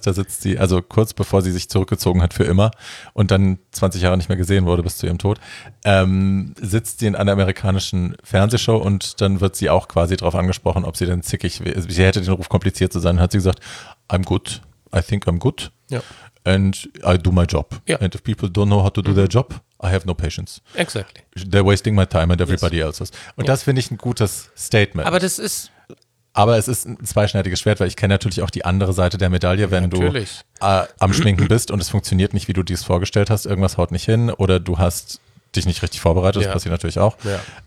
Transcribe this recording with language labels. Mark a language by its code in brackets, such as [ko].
[de] Da sitzt sie, also kurz bevor sie sich zurückgezogen hat für immer und dann 20 Jahre nicht mehr gesehen wurde bis zu ihrem Tod, sitzt sie in einer amerikanischen Fernsehshow und dann wird sie auch quasi darauf angesprochen, ob sie denn zickig wäre. Sie hätte den Ruf, kompliziert zu sein. Hat sie gesagt, [en] I'm good. I think I'm good. Yeah. And I do my job. Yeah. And if people don't know how to do their job, I have no patience. Exactly. They're wasting my time and everybody else's. [de] Und das finde ich ein gutes Statement. Aber es ist ein zweischneidiges Schwert, weil ich kenne natürlich auch die andere Seite der Medaille, wenn du am Schminken bist und es funktioniert nicht, wie du dir es vorgestellt hast, irgendwas haut nicht hin oder du hast dich nicht richtig vorbereitet, das passiert natürlich auch. [en] Yeah.